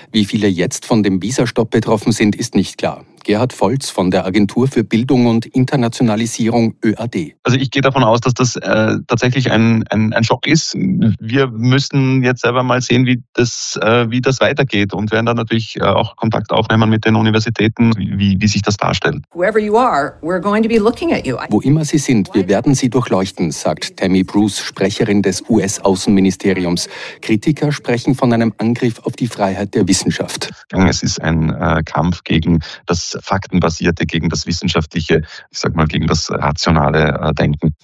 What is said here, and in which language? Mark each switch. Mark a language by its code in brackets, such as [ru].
[de] Wie viele jetzt von dem Visastopp betroffen sind, ist nicht klar. Gerhard Volz von der Agentur für Bildung und Internationalisierung ÖAD. Also ich gehe davon aus, dass das tatsächlich ein Schock ist. Wir müssen jetzt selber mal sehen, wie das weitergeht und werden dann natürlich auch Kontakt aufnehmen mit den Universitäten, wie sich das darstellt. [en] Wherever you are, we're going to be looking at you. [de] Wo immer Sie sind, wir werden Sie durchleuchten, sagt Tammy Bruce, Sprecherin des US-Außenministeriums. Kritiker sprechen von einem Angriff auf die Freiheit der Wissenschaft. Es ist ein Kampf gegen das Faktenbasierte, gegen das wissenschaftliche, ich sag mal, gegen das rationale Denken.